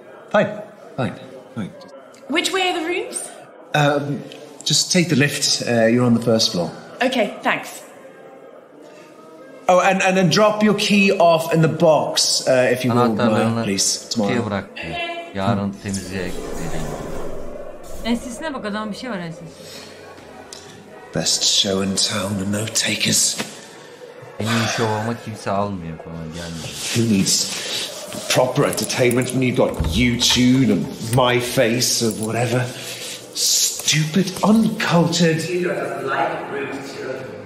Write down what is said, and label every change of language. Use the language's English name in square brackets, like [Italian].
[English] Fine. Which way are the rooms? Just take the lift. You're on the first floor. Okay, thanks. Oh, and then drop your key off in the box, if you will, please, tomorrow. [Turkish] Yarın temizliğe gidelim. Ensesine bak, adamın bir şey var ensesine. [English] Best show in town and no takers. [Turkish] En iyi show ama kimse almıyor falan gelmiyor. [English] Who needs proper entertainment when you've got YouTube and My Face or whatever? Stupid, uncultured. You don't like room children.